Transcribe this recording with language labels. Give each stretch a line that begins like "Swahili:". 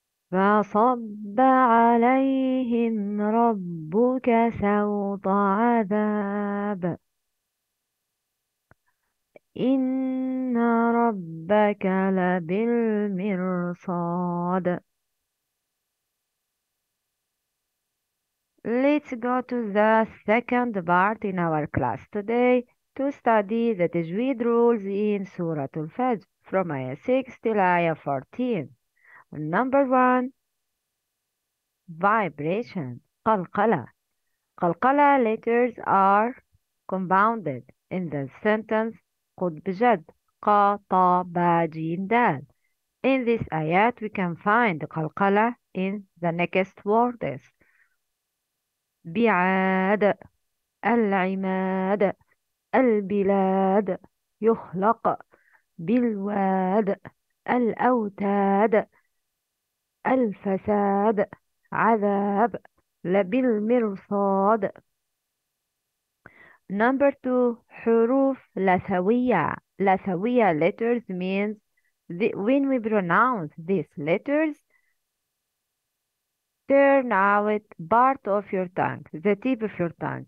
Arabic: فصب عليهم ربك سوط عذاب إن ربك لبالمرصاد.
English: Let's go to the second part in our class today to study the Tajweed rules in Surah Al-Fajr from Ayah 6 till Ayah 14. Number one, vibration, قلقلة.
Arabic: قلقلة
English: letters are compounded in the sentence
Arabic: قد بجد ق ط ب ج د.
English: In this ayat, we can find قلقلة in the next words.
Arabic: بعاد العماد البلاد يخلق بالواد الأوتاد الفساد عذاب لبالمرصاد.
English: Number two, حروف لثوية. لثوية letters means when we pronounce these letters, turn out part of your tongue, the tip of your tongue.